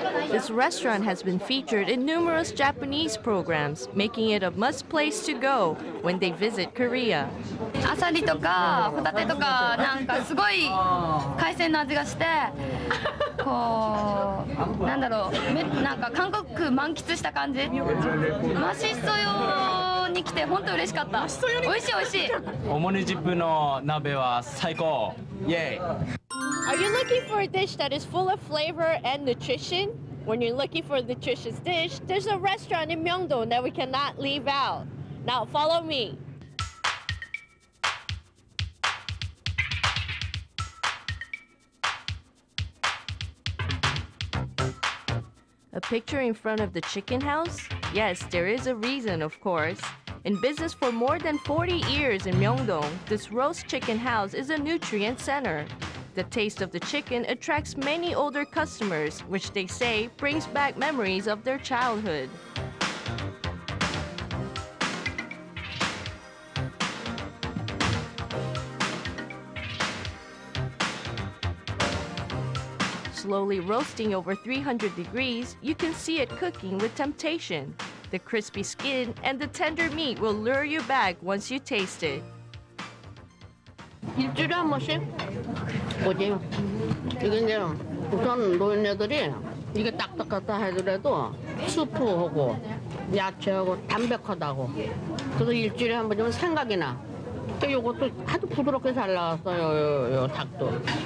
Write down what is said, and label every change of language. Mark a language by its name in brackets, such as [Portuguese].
[English] This restaurant has been featured in numerous Japanese programs, making it a must place to go when they visit Korea. [Japanese] Asari とかホタテとかなんかすごい海鮮の味がして、こうなんだろう、なんか韓国満喫した感じ。マシソヨに来て本当嬉しかった。マシソヨに美味しい美味しい。おもにじっぷの鍋は最高。イエイ。 [English] Are you looking for a dish that is full of flavor and nutrition? When you're looking for a nutritious dish, there's a restaurant in Myeongdo that we cannot leave out. Now follow me. A picture in front of the chicken house? Yes, there is a reason, of course. In business for more than 40 years in Myeongdo, this roast chicken house is a nutrient center. The taste of the chicken attracts many older customers, which they say brings back memories of their childhood. Slowly roasting over 300 degrees, you can see it cooking with temptation. The crispy skin and the tender meat will lure you back once you taste it. [Korean] 일주일에 한 번씩? 뭐지? 이게 이제 우선 노인네들이 이게 딱딱하다 하더라도 수프하고 야채하고 담백하다고 그래서 일주일에 한 번이면 생각이 나. 근데 이것도 아주 부드럽게 잘 나왔어요, 요 닭도.